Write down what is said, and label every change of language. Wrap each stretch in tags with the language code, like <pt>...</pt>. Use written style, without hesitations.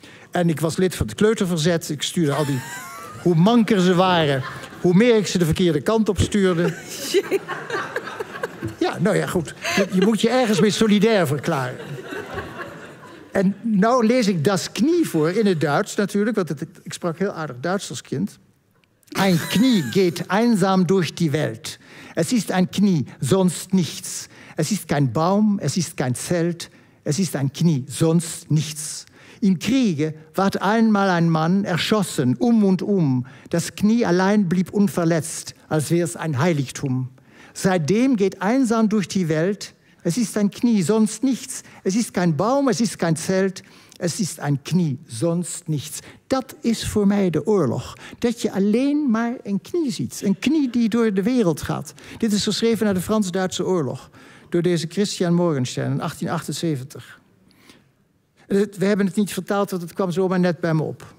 <nl>En ik was lid van het kleuterverzet. Ik stuurde al die... hoe manker ze waren, hoe meer ik ze de verkeerde kant op stuurde. Ja, nou ja, goed. Je moet je ergens mee solidair verklaren. En nou lees ik Das Knie voor, in het Duits natuurlijk. Want ik sprak heel aardig Duits als kind.</nl> <de>Ein Knie geht einsam durch die Welt. Es ist ein Knie, sonst nichts. Es ist kein Baum, es ist kein Zelt. Es ist ein Knie, sonst nichts. Im Kriege ward einmal ein Mann erschossen, und um. Das Knie allein blieb unverletzt, als wäre es ein Heiligtum. Seitdem geht einsam durch die Welt. Es ist ein Knie, sonst nichts. Es ist kein Baum, es ist kein Zelt. Es ist ein Knie, sonst nichts.</de> <nl>Dat is voor mij de oorlog. Dat je alleen maar een knie ziet. Een knie die door de wereld gaat. Dit is geschreven naar de Frans-Duitse oorlog. Door deze Christian Morgenstern in 1878. We hebben het niet vertaald, want het kwam zomaar net bij me op.</nl>